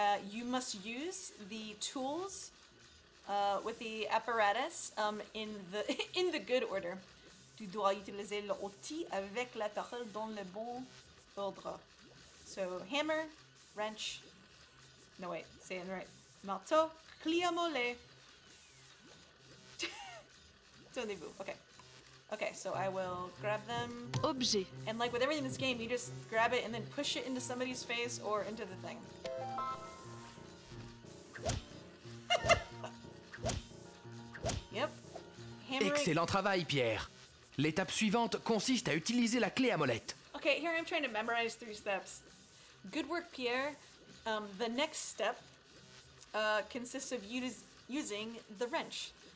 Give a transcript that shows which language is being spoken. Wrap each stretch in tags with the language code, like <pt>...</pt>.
<en>You must use the tools with the apparatus in the good order.</en> <fr>Tu dois utiliser l'outil avec l'appareil dans le bon ordre.</fr> <en>So hammer, wrench. No wait, say it right.</en> <fr>Marteau, clé à molette. Tenez-vous.</fr> <en>Okay. Okay, so I will grab them.</en> <fr>Objet.</fr> <en>And like with everything in this game, you just grab it and then push it into somebody's face or into the thing. Yep. Hammer.</en> <fr>Excellent travail, Pierre. L'étape suivante consiste à utiliser la clé à molette.</fr> <en>Okay, here I'm trying to memorize three steps. Good work, Pierre. The next step consists of using the wrench.</en>